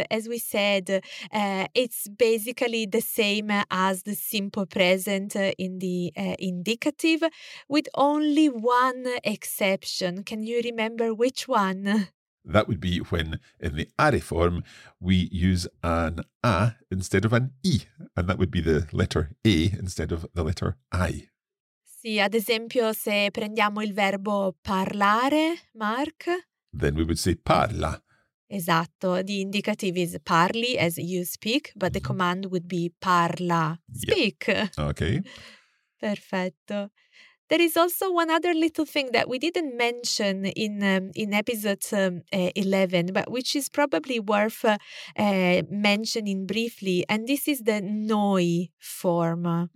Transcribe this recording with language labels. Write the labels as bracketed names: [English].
[English] As we said, it's basically the same as the simple present in the indicative, with only one exception. Can you remember which one? That would be when, in the are form, we use an a instead of an I, and that would be the letter a instead of the letter I. [Italian] Sì, ad esempio, se prendiamo il verbo parlare, Mark. [English] Then we would say parla. [Italian] Esatto. [English] The indicative is parli, as you speak, but the command would be parla, speak. Yeah. Okay. [Italian] Perfetto. [English] There is also one other little thing that we didn't mention in episode 11, but which is probably worth mentioning briefly, and this is the noi form.